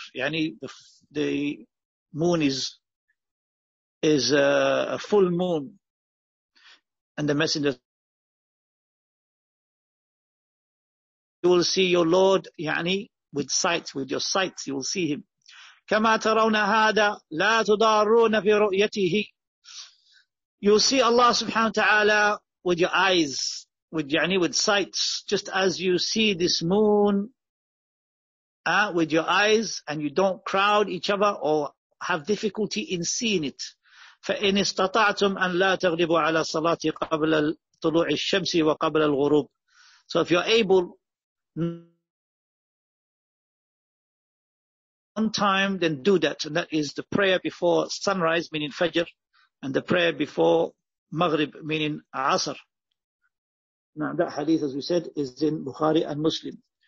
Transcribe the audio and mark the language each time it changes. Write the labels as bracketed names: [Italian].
[English] Yani the moon is a full moon. And the Messenger, you will see your Lord, yani, with sight, with your sight, you will see him. [Arabic] كما ترون هذا لا تضارون في رؤيته. [English] You will see Allah subhanahu wa ta'ala with your eyes, with yani, with sights, just as you see this moon with your eyes, and you don't crowd each other or have difficulty in seeing it. [Arabic] فإن استطعتم أن لا تغلبوا على الصلاة قبل طلوع الشمس وقبل الغروب. [English] So if you're able one time, then do that. And that is the prayer before sunrise, meaning Fajr, and the prayer before Maghrib, meaning Asr. Now that hadith, as we said, is in Bukhari and Muslim.